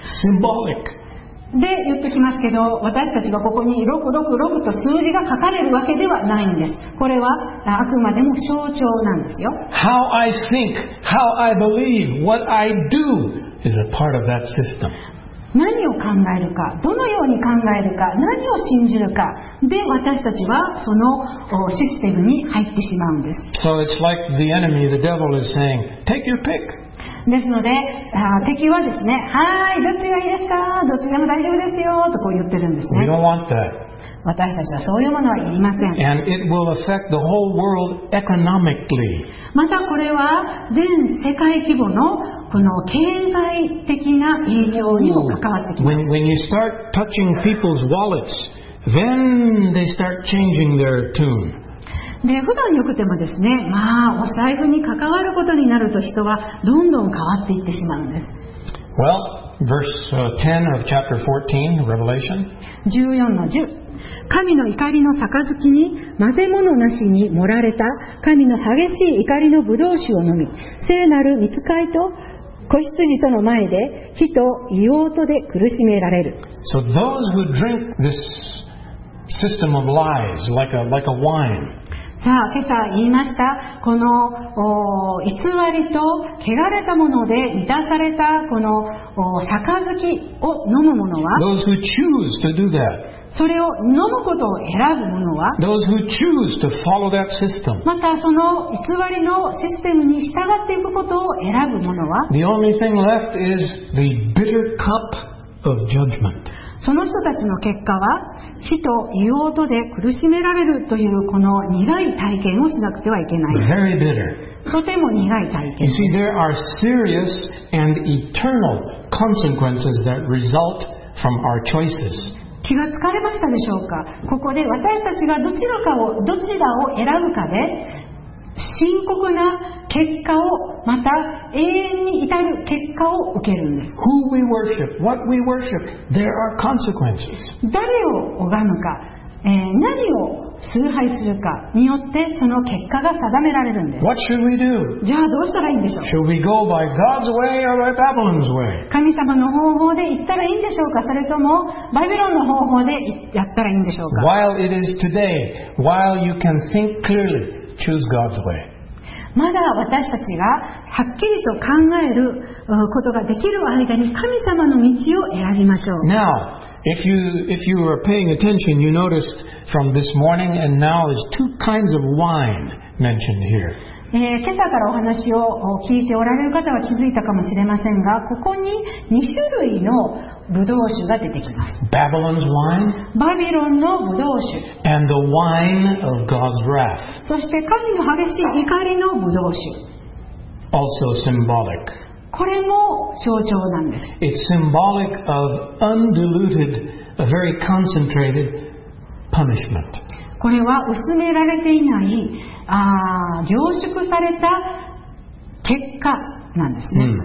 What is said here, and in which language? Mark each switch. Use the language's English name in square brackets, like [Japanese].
[English] Symbolic. [Japanese] で言ってきますけど、私たちがここに666と数字が書かれるわけではないんです。これはあくまでも象徴なんですよ。 [English] How I think, how I believe, what I do is a part of that system. [Japanese] 何を考えるか、どのように考えるか、何を信じるかで私たちはそのシステムに入ってしまうんです。 [English] So it's like the enemy, the devil is saying, take your pick. [Japanese] ですので敵はですね、はい、どっちがいいですか、どっちでも大丈夫ですよとこう言ってるんですね。 [English] We don't want that. [Japanese] 私たちはそういうものはいりません。 [English] And it will affect the whole world economically. [Japanese] またこれは全世界規模のこの経済的な影響にも関わってきます。 [English] When you start touching people's wallets, then they start changing their tune. [Japanese] で普段よくてもですね、まあお財布に関わることになると人はどんどん変わっていってしまうんです。 [English] Well, verse 10 of chapter 14, Revelation. [Japanese] 14-10。神の怒りの杯に混ぜ物なしに盛られた神の激しい怒りの葡萄酒を飲み、聖なる御使いと子羊との前で火と硫黄とで苦しめられる。 [English] So those who drink this system of lies, like a wine. [Japanese] さあ今朝言いました、この偽りと汚れたもので満たされたこの杯を飲むものは、 [English] Those who choose to do that. [Japanese] それを飲むことを選ぶものは、 [English] Those who choose to follow that system. [Japanese] またその偽りのシステムに従っていくことを選ぶものは、 [English] The only thing left is the bitter cup of judgment. [Japanese] その人たちの結果は火と硫黄とで苦しめられるというこの苦い体験をしなくてはいけない。 [English] Very bitter. [Japanese] とても苦い体験。 [English] You see, there are serious and eternal consequences that result from our choices. [Japanese] 気がつかれましたでしょうか。ここで私たちがどちらを選ぶかで深刻な結果を、また永遠に至る結果を受けるんです。 [English] Who we worship, what we worship, there are consequences. [Japanese] 誰を拝むか、何を崇拝するかによってその結果が定められるんです。 [English] What should we do? [Japanese] じゃあどうしたらいいんでしょう。 [English] Should we go by God's way or by Babylon's way? [Japanese] 神様の方法で行ったらいいんでしょうか、それともバビロンの方法でやったらいいんでしょうか。 [English] While it is today, while you can think clearly, choose God's way. [Japanese] まだ私たちがはっきりと考えることができる間に神様の道を選びましょう。 [English] Now, if you were paying attention, you noticed from this morning and now is two kinds of wine mentioned here. [Japanese] 今朝からお話を聞いておられる方は気づいたかもしれませんが、ここに2種類のブドウ酒が出てきます。 [English] Babylon's wine. [Japanese] バビロンのブドウ酒。 [English] And the wine of God's wrath. [Japanese] そして神の激しい怒りのブドウ酒。 [English] Also symbolic. [Japanese] これも象徴なんです。 [English] It's symbolic of undiluted, a very concentrated punishment. [Japanese] これは薄められていない、凝縮された結果なんですね。